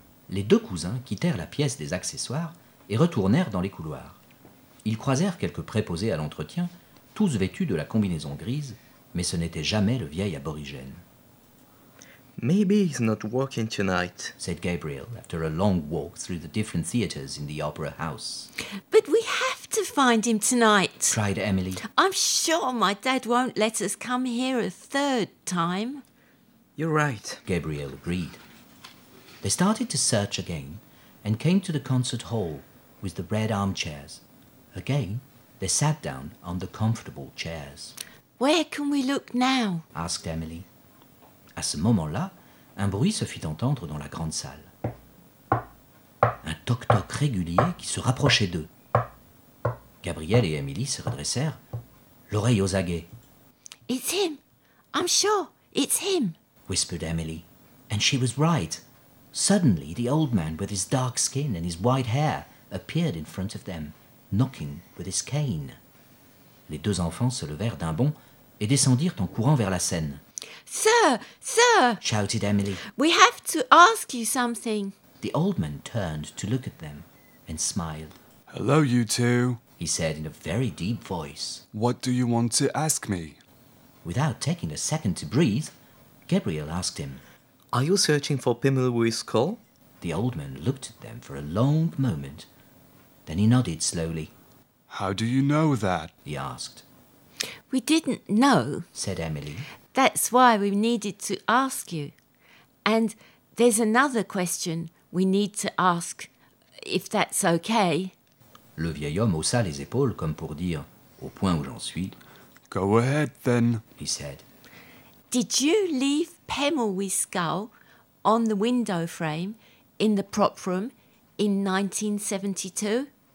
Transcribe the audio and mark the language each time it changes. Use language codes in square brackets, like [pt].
[fr] Les deux cousins quittèrent la pièce des accessoires et retournèrent dans les couloirs. Ils croisèrent quelques préposés à l'entretien, tous vêtus de la combinaison grise, mais ce n'était jamais le vieil aborigène. [en] Maybe he's not working tonight, said Gabriel after a long walk through the different theatres in the opera house. But we have to find him tonight, cried Emily. I'm sure my dad won't let us come here a third time. You're right, Gabriel agreed. They started to search again and came to the concert hall with the red armchairs. Again, they sat down on the comfortable chairs. Where can we look now? Asked Emily. [fr] À ce moment-là, un bruit se fit entendre dans la grande salle. Un toc-toc régulier qui se rapprochait d'eux. Gabriel et Emily se redressèrent, l'oreille aux aguets. [en] It's him! I'm sure it's him! Whispered Emily. And she was right. Suddenly, the old man with his dark skin and his white hair appeared in front of them, knocking with his cane. [fr] Les deux enfants se levèrent d'un bond et descendirent en courant vers la scène. [en] Sir, sir, shouted Emily. We have to ask you something. The old man turned to look at them and smiled. Hello, you two, he said in a very deep voice. What do you want to ask me? Without taking a second to breathe, Gabriel asked him. Are you searching for Pim Lewis Cole? The old man looked at them for a long moment. Then he nodded slowly. How do you know that? He asked. We didn't know, said Emily. That's why we needed to ask you. And there's another question we need to ask, if that's okay. [fr] Le vieil homme haussa les épaules comme pour dire, au point où j'en suis. [en] Go ahead then, he said. Did you leave Pemulwuy's skull on the window frame in the prop room in 1972?